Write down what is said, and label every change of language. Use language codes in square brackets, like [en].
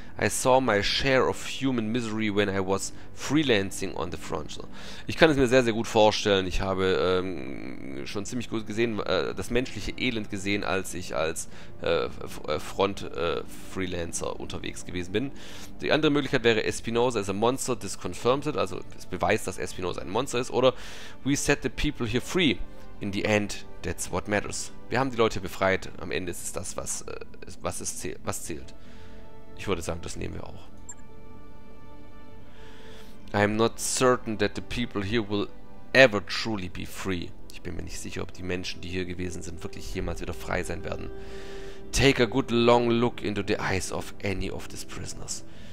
[en] I saw my share of human misery when I was freelancing on the front. [de] Ich kann es mir sehr, sehr gut vorstellen. Ich habe schon ziemlich gut gesehen, das menschliche Elend gesehen, als ich als Front-Freelancer unterwegs gewesen bin. Die andere Möglichkeit wäre, [en] Espinosa is a monster, this confirms it, [de] also es beweist, dass Espinosa ein Monster ist, oder [en] we set the people here free. In the end, that's what matters. [de] Wir haben die Leute befreit, am Ende ist es das, was zählt. Ich würde sagen, das nehmen wir auch. [en] I am not certain that the people here will ever truly be free. [de] Ich bin mir nicht sicher, ob die Menschen, die hier gewesen sind, wirklich jemals wieder frei sein werden. [en] Take a good long look into the eyes of any of these prisoners.